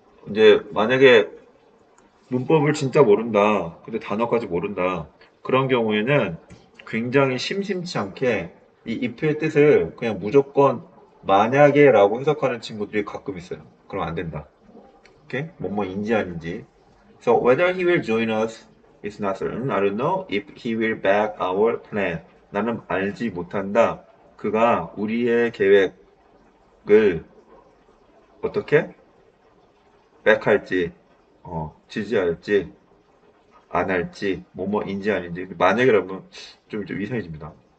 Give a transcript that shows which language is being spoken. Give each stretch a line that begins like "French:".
Korean: 이제 만약에 문법을 진짜 모른다, 근데 단어까지 모른다, 그런 경우에는 굉장히 심심치 않게 이 if의 뜻을 그냥 무조건 만약에라고 해석하는 친구들이 가끔 있어요. 그럼 안 된다. 오케이? 뭐뭐인지 아닌지.
English: So whether he will join us is not certain. I don't know if he will back our plan.
Korean: 나는 알지 못한다. 그가 우리의 계획을 어떻게 백할지, 지지할지, 안 할지, 뭐뭐인지 아닌지. 만약에라면 좀 이상해집니다.